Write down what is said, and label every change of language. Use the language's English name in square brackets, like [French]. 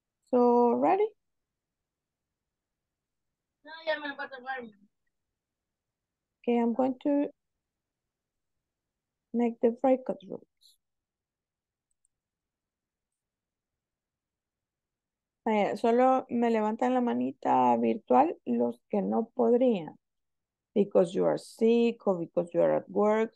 [English] So, ready? No, I'm about to learn. Okay, I'm going to make the breakout rooms. [Spanish] Solo me levantan la manita virtual los que no podrían. [English] Because you are sick or because you are at work.